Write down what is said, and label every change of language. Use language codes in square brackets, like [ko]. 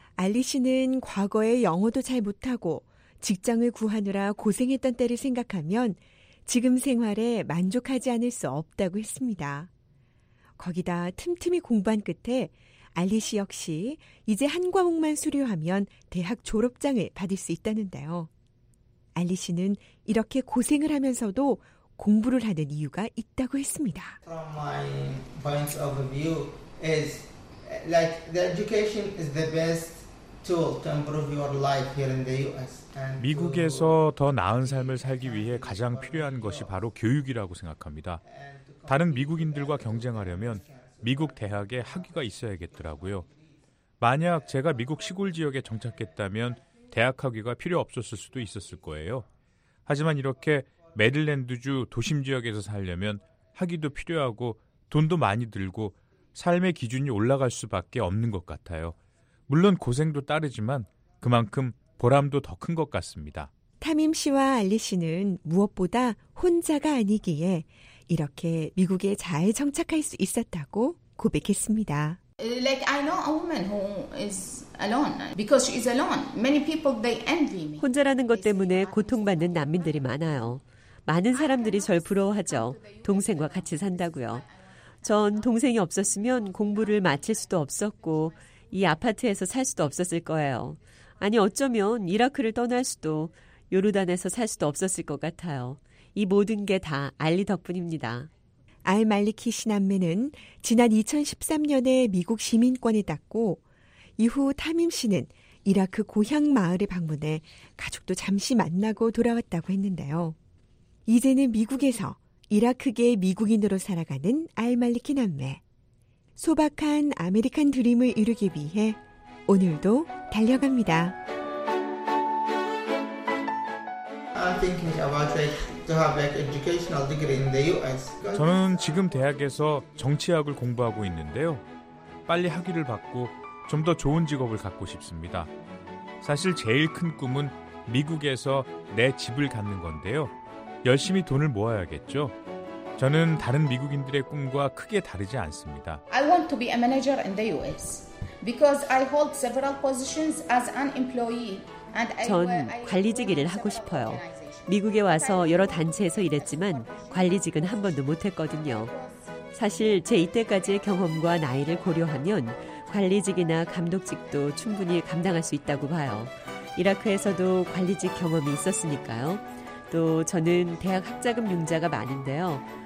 [ko] 알리 씨는 과거에 영어도 잘 못하고 직장을 구하느라 고생했던 때를 생각하면 지금 생활에 만족하지 않을 수 없다고 했습니다. 거기다 틈틈이 공부한 끝에 알리 씨 역시 이제 한 과목만 수료하면 대학 졸업장을 받을 수 있다는데요. 알리 씨는 이렇게 고생을 하면서도 공부를 하는 이유가 있다고 했습니다. [en] From my point of view is like the education is the best tool to improve your life here in the US. [ko] 미국에서 더 나은 삶을 살기 위해 가장 필요한 것이 바로 교육이라고 생각합니다. 다른 미국인들과 경쟁하려면 미국 대학에 학위가 있어야겠더라고요. 만약 제가 미국 시골 지역에 정착했다면 대학 학위가 필요 없었을 수도 있었을 거예요. 하지만 이렇게 메릴랜드주 도심 지역에서 살려면 학위도 필요하고 돈도 많이 들고 삶의 기준이 올라갈 수밖에 없는 것 같아요. 물론 고생도 따르지만 그만큼 보람도 더 큰 것 같습니다. 타밈 씨와 알리 씨는 무엇보다 혼자가 아니기에 이렇게 미국에 잘 정착할 수 있었다고 고백했습니다. [en] Like I know a woman who is alone because she is alone. Many people they envy me. [ko] 혼자라는 것 때문에 고통받는 난민들이 많아요. 많은 사람들이 절 부러워하죠. 동생과 같이 산다고요. 전 동생이 없었으면 공부를 마칠 수도 없었고 이 아파트에서 살 수도 없었을 거예요. 아니 어쩌면 이라크를 떠날 수도 요르단에서 살 수도 없었을 것 같아요. 이 모든 게 다 알리 덕분입니다. 알 말리키 신남매는 지난 2013년에 미국 시민권을 땄고 이후 타밈 씨는 이라크 고향 마을을 방문해 가족도 잠시 만나고 돌아왔다고 했는데요. 이제는 미국에서 이라크계 미국인으로 살아가는 알 말리키 남매. 소박한 아메리칸 드림을 이루기 위해 오늘도 달려갑니다. [en] I'm thinking about to have like educational degree in the US. [ko] 저는 지금 대학에서 정치학을 공부하고 있는데요. 빨리 학위를 받고 좀 더 좋은 직업을 갖고 싶습니다. 사실 제일 큰 꿈은 미국에서 내 집을 갖는 건데요. 열심히 돈을 모아야겠죠. 저는 다른 미국인들의 꿈과 크게 다르지 않습니다. [en] I want to be a manager in the US because I hold several positions as an employee. [ko] 전 관리직 일을 하고 싶어요. 미국에 와서 여러 단체에서 일했지만 관리직은 한 번도 못했거든요. 사실 제 이때까지의 경험과 나이를 고려하면 관리직이나 감독직도 충분히 감당할 수 있다고 봐요. 이라크에서도 관리직 경험이 있었으니까요. 또 저는 대학 학자금 융자가 많은데요.